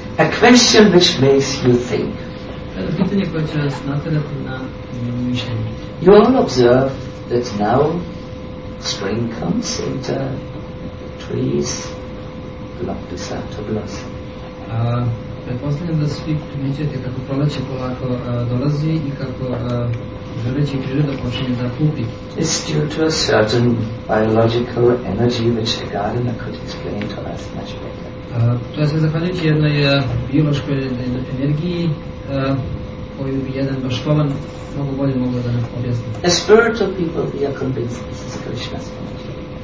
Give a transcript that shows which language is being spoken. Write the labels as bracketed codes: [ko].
[en] A question which makes you think. [sr] Jedno pitanje koje će vas natjerati na mišljenje. [en] You all observe that now spring comes into trees, love to start to blossom. [sr] Pretpostavljam da svi primjećujete kako proleće polako dolazi i kako drveće i priroda počinje da kupi. [en] It's due to a certain biological energy which the gardener could explain to us much better. [sr] To je sve zahvaljujući jednoj biološkoj energiji koju bi jedan baštovan mnogo bolje mogla da nam objasni. [en] As spiritual people we are convinced this is Krishna's energy.